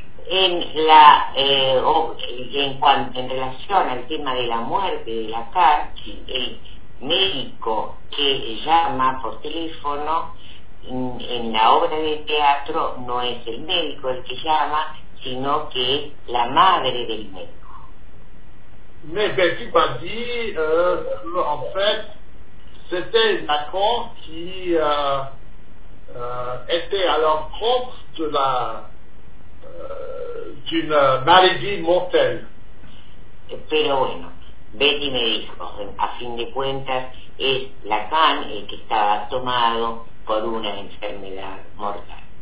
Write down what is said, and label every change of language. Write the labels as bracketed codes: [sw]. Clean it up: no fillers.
[es] En la [fr] en relation au thème de [es] la muerte de Lacan, el médico que llama por teléfono en la obra de teatro no es el médico el que llama, sino que es la madre del médico. [fr] Mais Betty m'a dit qu'en fait, c'était Lacan qui était à l'encontre de la d'une maladie mortelle. [es] Pero bueno, Betty me dijo, a fin de cuentas, es Lacan el que estaba tomado por una enfermedad mortal.